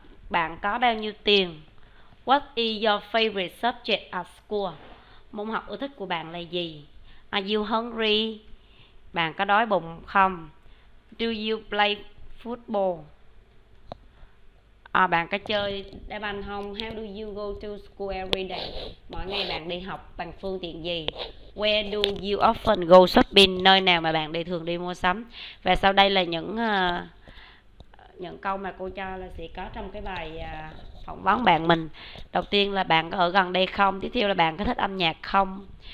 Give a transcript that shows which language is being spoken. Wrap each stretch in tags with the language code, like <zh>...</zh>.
<vi>Bạn có bao nhiêu tiền?</vi> <en>What is your favorite subject at school?</en> <vi>Môn học ưa thích của bạn là gì?</vi> <en>Are you hungry?</en> <vi>Bạn có đói bụng không?</vi> <en>Do you play football?</en> <vi>Bạn có chơi đá banh không?</vi> <en>How do you go to school every day?</en> <vi>Mỗi ngày bạn đi học bằng phương tiện gì?</vi> <en>Where do you often go shopping?</en> <vi>Nơi nào mà bạn đi thường đi mua sắm? Và sau đây là những câu mà cô cho là sẽ có trong cái bài phỏng vấn bạn mình. Đầu tiên là bạn có ở gần đây không? Tiếp theo là bạn có thích âm nhạc không?</vi>